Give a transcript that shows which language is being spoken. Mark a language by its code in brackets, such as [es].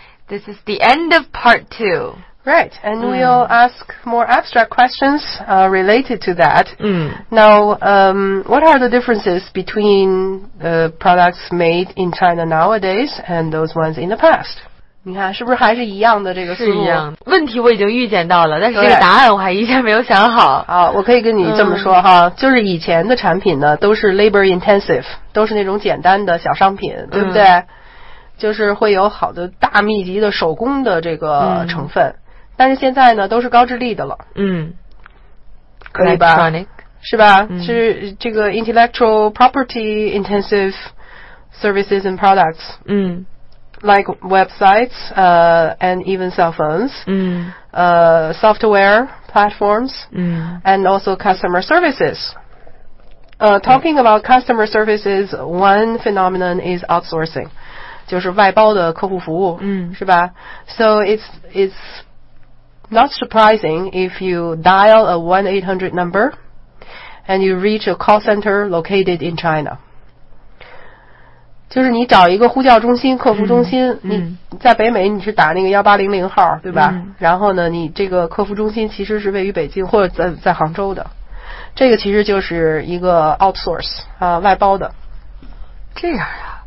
[en] This is the end of part two. Right. And we'll ask more abstract questions related to that. Now, what are the differences between products made in China nowadays and those ones in the past? [zh] 你看是不是还是一样的这个思路？是一样的。问题我已经预见到了，但是这个答案我还一下没有想好。好，我可以跟你这么说哈，就是以前的产品呢都是 [en] labor intensive， [zh] 都是那种简单的小商品，对不对？就是会有好的大密集的手工的这个成分，但是现在呢都是高智力的了。可以吧？ [en] Electronic. [zh] 是吧？是这个 [en] intellectual property intensive services and products。 Like websites, and even cell phones, software platforms, and also customer services. Talking about customer services, one phenomenon is outsourcing. [zh] 就是外包的客户服务，是吧？ [en] So it's not surprising if you dial a 1-800 number and you reach a call center located in China. [zh] 就是你找一个呼叫中心客服中心你在北美你是打那个1800号对吧然后呢你这个客服中心其实是位于北京或者在杭州的这个其实就是一个 outsource 外包的这样啊